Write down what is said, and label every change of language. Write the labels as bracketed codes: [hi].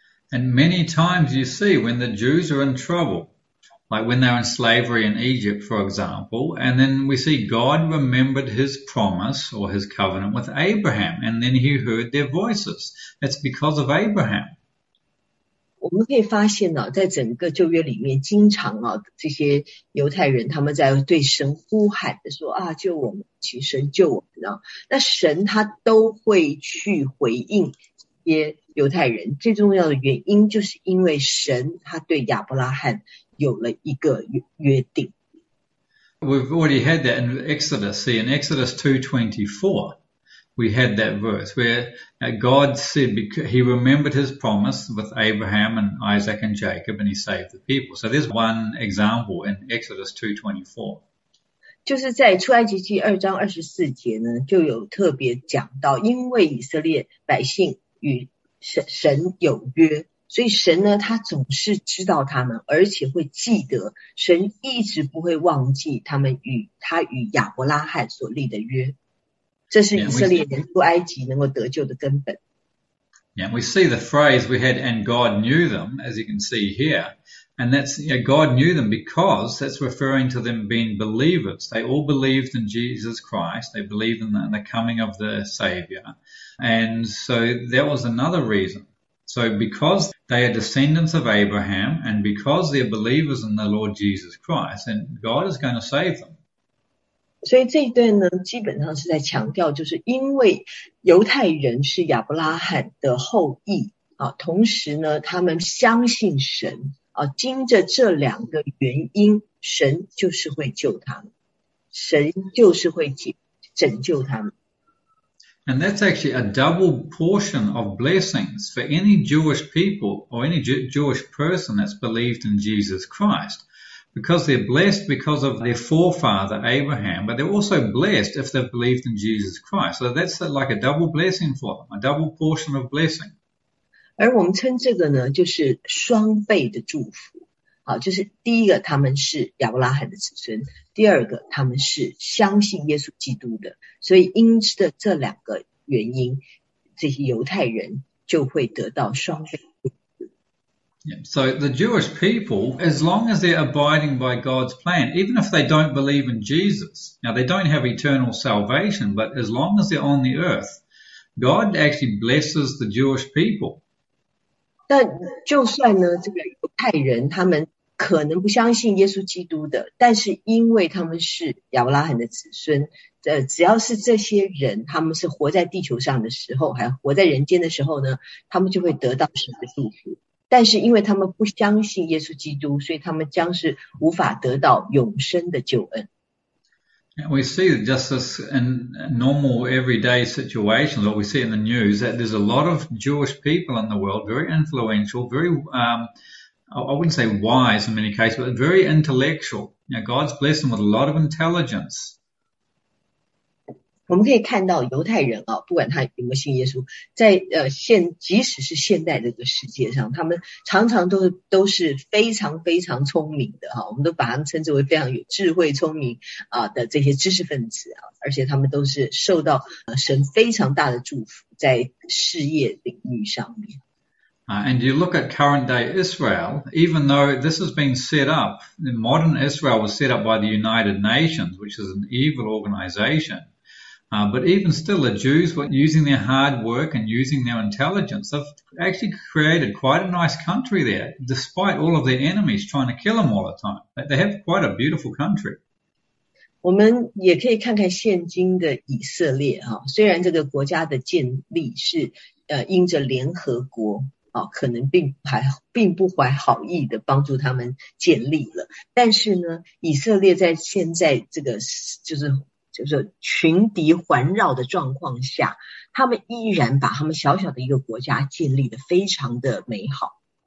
[en] And many times you see when the Jews are in trouble, like when they're in slavery in Egypt, for example, and then we see God remembered his promise or his covenant with Abraham, and then he heard their voices. It's because of Abraham. [zh] 我们可以发现呢，在整个旧约里面，经常啊，这些犹太人他们在对神呼喊的说啊，救我们，请神救我们啊。那神他都会去回应这些犹太人。最重要的原因，就是因为神他对亚伯拉罕有了一个约定。 [en] We've already had that in Exodus. See, in Exodus 2:24, we had that verse where God said he remembered his promise with Abraham and Isaac and Jacob, and he saved the people. So there's one example in Exodus 2:24. [zh] 就是在出埃及记2:24呢，就有特别讲到，因为以色列百姓与神有约，所以神呢，他总是知道他们，而且会记得，神一直不会忘记他与亚伯拉罕所立的约，这是以 [en] Yeah, [zh] 色列人出埃及能够得救的根本。 [en] we see the phrase we had, and God knew them, as you can see here. And that's, God knew them because that's referring to them being believers. They all believed in Jesus Christ. They believed in the coming of the Savior. And so that was another reason. So because they are descendants of Abraham and because they're believers in the Lord Jesus Christ, then God is going to save them. [zh] 所以这一段呢，基本上是在强调，就是因为犹太人是亚伯拉罕的后裔啊，同时呢，他们相信神啊，经着这两个原因，神就是会救他们，神就是会拯救他们。 [en] And that's actually a double portion of blessings for any Jewish people or any Jewish person that's believed in Jesus Christ. Because they're blessed because of their forefather, Abraham, but they're also blessed if they've believed in Jesus Christ. So that's like a double blessing for them, a double portion of blessing. [zh] 而我们称这个呢，就是双倍的祝福。好，就是第一个，他们是亚伯拉罕的子孙；第二个，他们是相信耶稣基督的。所以，因着这两个原因，这些犹太人就会得到双倍。 [en] So the Jewish people, as long as they're abiding by God's plan, even if they don't believe in Jesus, now they don't have eternal salvation, but as long as they're on the earth, God actually blesses the Jewish people. [zh] 但就算呢，这个犹太人他们可能不相信耶稣基督的，但是因为他们是亚伯拉罕的子孙，只要是这些人，他们是活在地球上的时候，还活在人间的时候呢，他们就会得到神的祝福。但是因为他们不相信耶稣基督，所以他们将是无法得到永生的救恩。 [en] We see just this in normal everyday situations, what we see in the news, that there's a lot of Jewish people in the world, very influential, very, I wouldn't say wise in many cases, but very intellectual. Now, God's blessed them with a lot of intelligence. [zh] 我们可以看到犹太人啊，不管他有没有信耶稣，在即使是现代这个世界上，他们常常都是非常非常聪明的哈，我们都把他们称之为非常有智慧、聪明啊的这些知识分子啊，而且他们都是受到神非常大的祝福，在事业领域上面。 [en] And you look at current day Israel, even though this has been set up, modern Israel was set up by the United Nations, which is an evil organization. But even still, the Jews were using their hard work and using their intelligence. They've actually created quite a nice country there, despite all of their enemies trying to kill them all the time. They have quite a beautiful country. [zh] 我们也可以看看现今的以色列啊，虽然这个国家的建立是因着联合国。啊，可能并不怀好意的帮助他们建立了。但是呢，以色列在现在这个就是群敌环绕的状况下，他们依然把他们小小的一个国家建立得非常的美好。